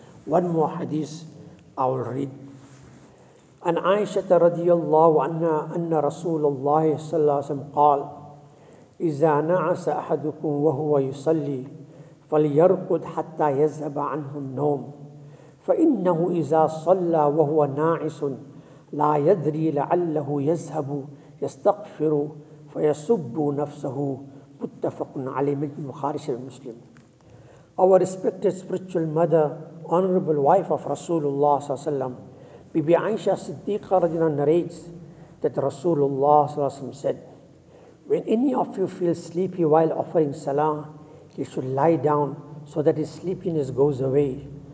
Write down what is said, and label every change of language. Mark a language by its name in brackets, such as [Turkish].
[English] One more hadith I will read. [Arabic] An Aisha radiallahu anna Rasulullah sallallahu alayhi wa sallam qal, إذا نعس أحدكم وهو يصلي فليركض حتى يذهب عنه النوم. فإنه إذا صلى وهو ناعس لا يدري لعله يذهب يستغفر فيسب نفسه متفق عليه من البخاري ومسلم. [English] Our respected spiritual mother, honorable wife of Rasulullah صلى الله عليه وسلم, Bibi Aisha Siddiqa رضي الله عنها narrates that Rasulullah صلى الله عليه وسلم said, when any of you feel sleepy while offering salah, he should lie down so that his sleepiness goes away.